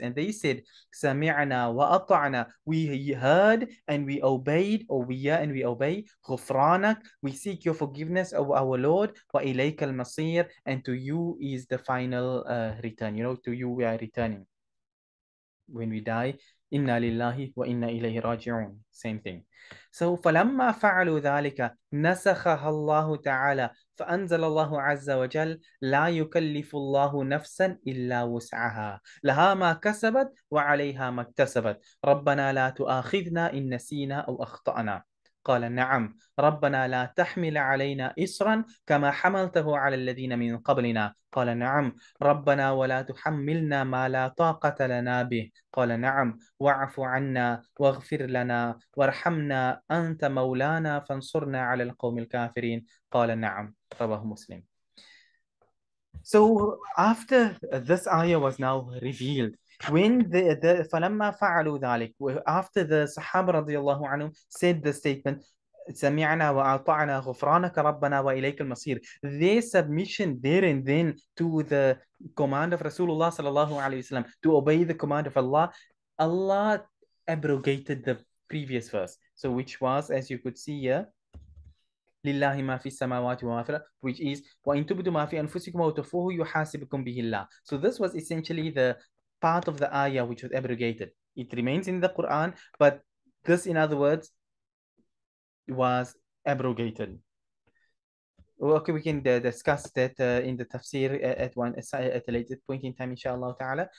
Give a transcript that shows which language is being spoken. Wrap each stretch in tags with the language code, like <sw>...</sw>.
<en>And they said,</en> <ar>sami'na wa ata'na,</ar> <en>we heard and we obeyed, or we hear and we obey, ghufranak, we seek your forgiveness of our Lord,</en> <ar>wa ilayka al-masir,</ar> <en>and to you is the final return. You know, to you we are returning. When we die,</en> <ar>إنا لله وإنا إليه راجعون.</ar> <en>Same thing.</en> <ar>So فلما فعلوا ذلك نسخها الله تعالى فأنزل الله عز وجل لا يكلف الله نفسا إلا وسعها لها ما كسبت وعليها ما اكتسبت ربنا لا تؤاخذنا إن نسينا أو أخطأنا. قال نعم ربنا لا تحمل علينا إصرا كما حملته على الذين من قبلنا. قال نعم ربنا ولا تحملنا ما لا طاقة لنا به. قال نعم واعف عنا واغفر لنا وارحمنا أنت مولانا فانصرنا على القوم الكافرين. قال نعم رواه مسلم.</ar> <en>So after this ayah was now revealed, when the</en> <ar>فَلَمَّا فَعَلُوا ذَلِكَ,</ar> <en>after the Sahaba radiallahu anhu said the statement,</en> <ar>سَمِعْنَا وَأَطَعْنَا غُفْرَانَكَ رَبَّنَا وَإِلَيْكَ الْمَصِيرُ,</ar> <en>their submission there and then to the command of Rasulullah sallallahu alayhi wasallam to obey the command of Allah, Allah abrogated the previous verse. So which was, as you could see here,</en> <ar>لله ما في السماوات وما في الأرض,</ar> <en>which is</en> <ar>وإن تبدوا ما في أنفسكم أو تخفوه يحاسبكم به الله.</ar> <en>So this was essentially the part of the ayah which was abrogated. It remains in the Quran, but this, in other words, was abrogated. Okay, we can discuss that in the tafsir at a later point in time, inshallah ta'ala.</en>